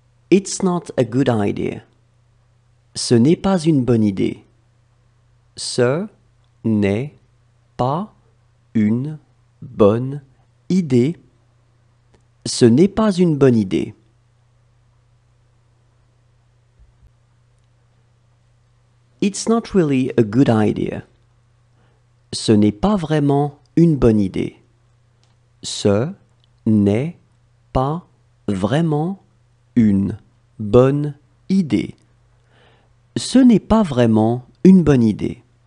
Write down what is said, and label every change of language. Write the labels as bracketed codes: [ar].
[en] It's not a good idea. [fr] Ce n'est pas une bonne idée. Ce n'est pas une bonne idée. Ce n'est pas une bonne idée. [en] It's not really a good idea. [fr] Ce n'est pas vraiment une bonne idée. Ce n'est pas vraiment une bonne idée. Ce n'est pas vraiment une bonne idée.